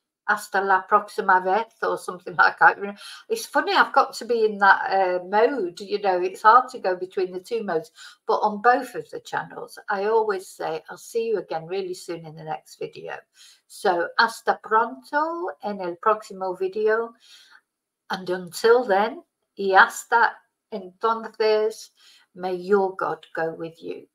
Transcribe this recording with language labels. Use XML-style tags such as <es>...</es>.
<es>hasta la próxima vez</es> <en>or something like that. It's funny, I've got to be in that mode, you know, it's hard to go between the two modes. But on both of the channels, I always say, I'll see you again really soon in the next video.</en> <es>So hasta pronto en el próximo video.</es> <en>And until then,</en> <es>y hasta entonces,</es> <en>may your God go with you.</en>